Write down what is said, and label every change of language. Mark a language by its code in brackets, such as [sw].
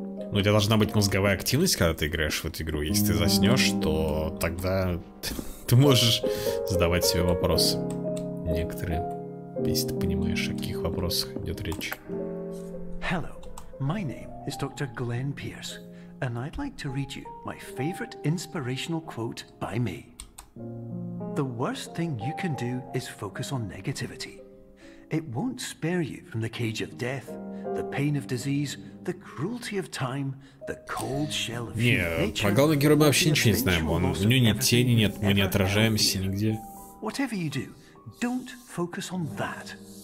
[ru] Ну, у тебя должна быть мозговая активность, когда ты играешь в эту игру. Если ты заснешь, то тогда ты можешь задавать себе вопросы. Некоторые, если ты понимаешь, о каких вопросах идет речь. [en] Hello, my name is Dr. Glenn Pierce, and I'd like to read you my favorite inspirational quote by me. The worst thing you can do is focus on negativity. It won't spare you from the cage of death, the pain of disease, the cruelty of time, the cold shell of your nature. [ru] Не, про главного героя мы вообще ничего не знаем. Он, у него нет тени, нет, мы не отражаемся нигде. [en] Whatever you do, don't focus on that.